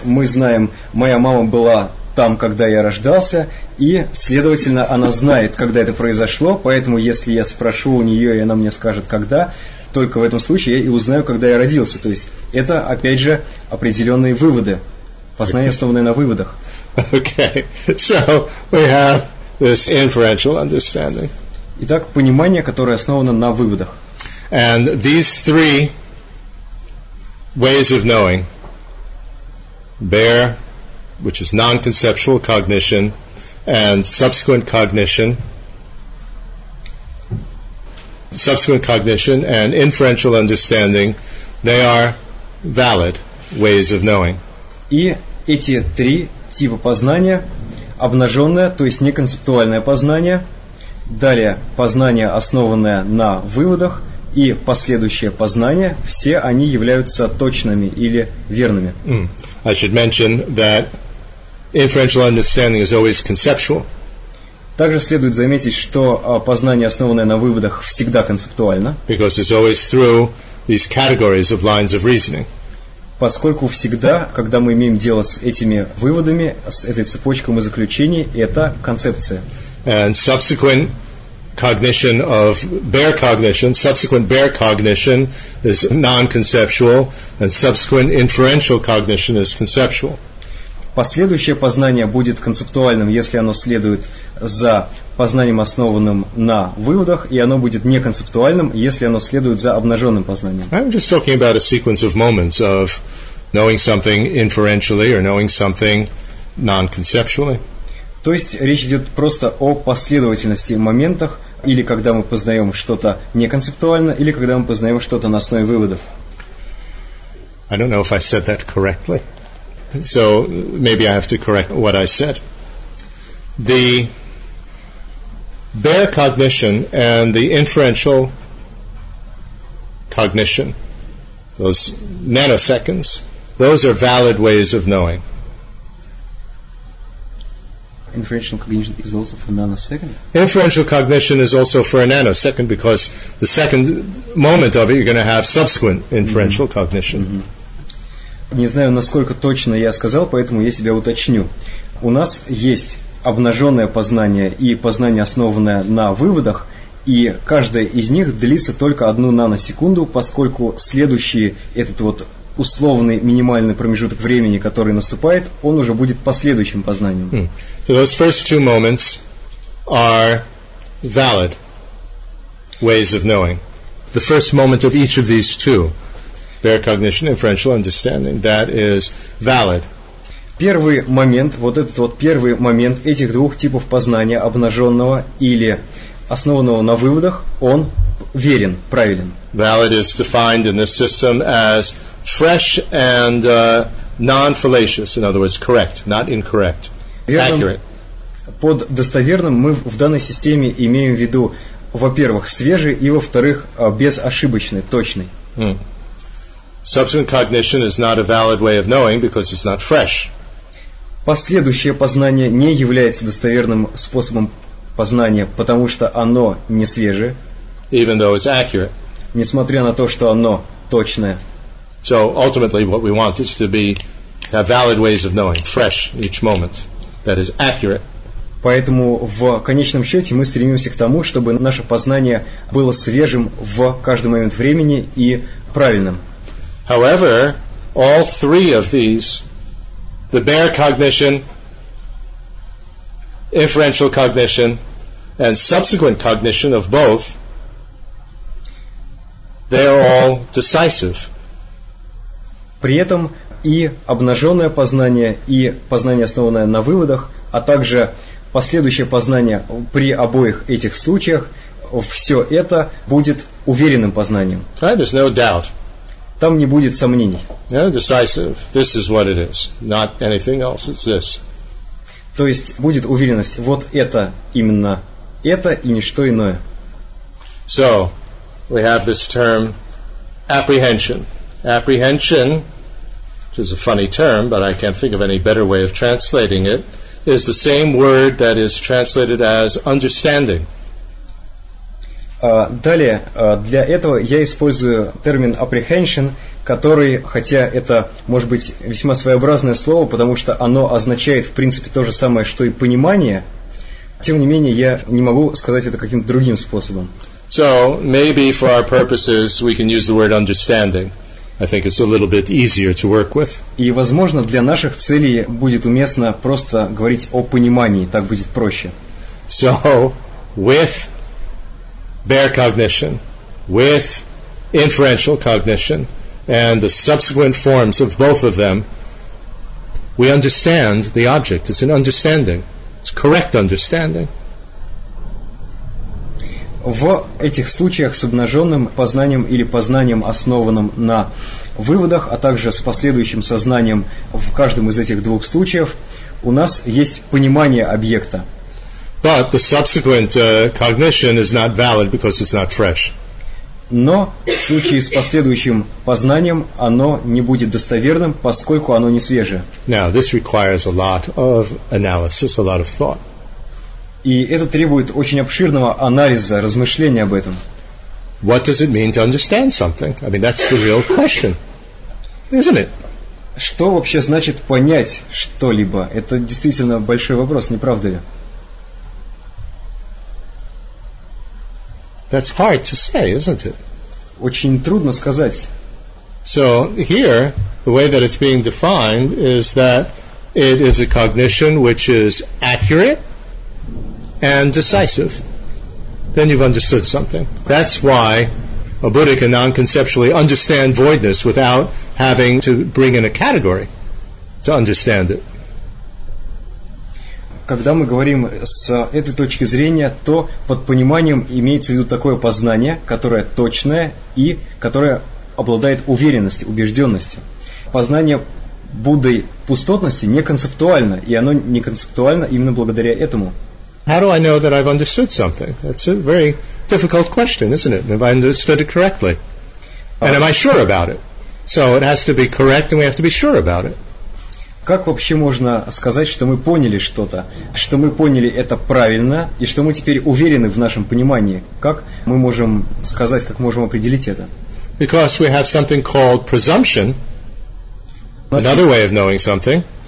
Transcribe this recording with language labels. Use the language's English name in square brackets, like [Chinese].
[Russian] Мы знаем, моя мама была там, когда я рождался, и, следовательно, она знает, когда это произошло, поэтому, если я спрошу у нее, и она мне скажет, когда, только в этом случае я и узнаю, когда я родился. То есть, это, опять же, определенные выводы. Познание, основанное на выводах. [English] Okay. So, we have this inferential understanding. [Russian] Итак, понимание, которое основано на выводах. [English] And these three ways of knowing bear, which is non-conceptual cognition and subsequent cognition and inferential understanding, they are valid ways of knowing. [Russian] И эти три типа познания: обнаженное, то есть неконцептуальное познание, далее познание, основанное на выводах, и последующее познание, все они являются точными или верными. [English] I should mention that inferential understanding is always conceptual. [Russian] Также следует заметить, что познание, основанное на выводах, всегда концептуально. [English] Because it's always through these categories of lines of reasoning. [Russian] Поскольку всегда, когда мы имеем дело с этими выводами, с этой цепочкой и заключений, это концепция. [English] And subsequent cognition of bare cognition, subsequent bare cognition is non-conceptual, and subsequent inferential cognition is conceptual. [Russian] Последующее познание будет концептуальным, если оно следует за познанием, основанным на выводах, и оно будет неконцептуальным, если оно следует за обнаженным познанием. [English] I'm just talking about a sequence of moments of knowing something inferentially or knowing something non-conceptually. [Russian] То есть речь идет просто о последовательности моментах, или когда мы познаем что-то неконцептуально, или когда мы познаем что-то на основе выводов. [English] I don't know if I said that correctly. So, maybe I have to correct what I said. The bare cognition and the inferential cognition, those nanoseconds, those are valid ways of knowing. Inferential cognition is also for a nanosecond? Inferential cognition is also for a nanosecond, because the second moment of it, you're going to have subsequent inferential cognition. Mm-hmm. [Russian] Не знаю, насколько точно я сказал, поэтому я себя уточню. У нас есть обнаженное познание и познание, основанное на выводах, и каждое из них длится только одну наносекунду, поскольку следующий этот вот условный минимальный промежуток времени, который наступает, он уже будет последующим познанием. [English] So those first two moments are valid ways of knowing. The first moment of each of these two. Bare cognition, inferential understanding, that is valid. [Russian] Первый момент этих двух типов познания, обнаженного или основанного на выводах, он верен, правилен. [English] Valid is defined in this system as fresh and non-fallacious, in other words, correct, not incorrect, accurate. [Russian] Под достоверным мы в данной системе имеем в виду во-первых, свежий, и во-вторых, безошибочный, точный. Mm. [English] Subsequent cognition is not a valid way of knowing because it's not fresh. [Russian] Последующее познание не является достоверным способом познания, потому что оно не свежее. [English] Even though it's accurate. [Russian] Несмотря на то, что оно точное. [English] So ultimately, what we want is to be have valid ways of knowing, fresh each moment, that is accurate. [Russian] Поэтому в конечном счете мы стремимся к тому, чтобы наше познание было свежим в каждый момент времени и правильным. [English] However, all three of these, the bare cognition, inferential cognition, and subsequent cognition of both, they're all decisive. [Russian] При этом и обнаженное познание, и познание, основанное на выводах, а также последующее познание при обоих этих случаях, все это будет уверенным познанием. [English] Right, there's no doubt. [Russian] Там не будет сомнений. [English] Yeah, decisive. This is what it is. Not anything else. It's this. [Russian] То есть будет уверенность. Вот это именно это и ничто иное. [English] So, we have this term apprehension. Apprehension, which is a funny term, but I can't think of any better way of translating it, is the same word that is translated as understanding. [Russian] Далее, для этого я использую термин apprehension, который, хотя это, может быть, весьма своеобразное слово, потому что оно означает, в принципе, то же самое, что и понимание, тем не менее, я не могу сказать это каким-то другим способом. [English] So, maybe for our purposes we can use the word understanding. I think it's a little bit easier to work with. [Russian] И, возможно, для наших целей будет уместно просто говорить о понимании, так будет проще. [English] So, with bare cognition, with inferential cognition, and the subsequent forms of both of them, we understand the object. It's an understanding. It's correct understanding. [Russian] В этих случаях с обнаженным познанием или познанием, основанным на выводах, а также с последующим сознанием в каждом из этих двух случаев, у нас есть понимание объекта. [English] But the subsequent cognition is not valid because it's not fresh. [Russian] Но в случае с последующим познанием оно не будет достоверным, поскольку оно не свежее. [English] Now, this requires a lot of analysis, a lot of thought. [Russian] И это требует очень обширного анализа, размышления об этом. [English] What does it mean to understand something? I mean, that's the real question, isn't it? [Russian] Что вообще значит понять что-либо? Это действительно большой вопрос, не правда ли? [English] That's hard to say, isn't it? [Russian] Очень трудно сказать. [English] So, here, the way that it's being defined is that it is a cognition which is accurate, and decisive, then you've understood something. That's why a Buddha can non-conceptually understand voidness without having to bring in a category to understand it. [Russian] Когда мы говорим с этой точки зрения, то под пониманием имеется в виду такое познание, которое точное и которое обладает уверенностью, убежденностью. Познание Буддой пустотности не концептуально, и оно не концептуально именно благодаря этому. [English] How do I know that I've understood something? That's a very difficult question, isn't it? Have I understood it correctly? And am I sure about it? So it has to be correct, and we have to be sure about it. [Russian] Как вообще можно сказать, что мы поняли что-то? Что мы поняли это правильно, и что мы теперь уверены в нашем понимании? Как мы можем сказать, как можем определить это? [English] Because we have something called presumption, another way of knowing something.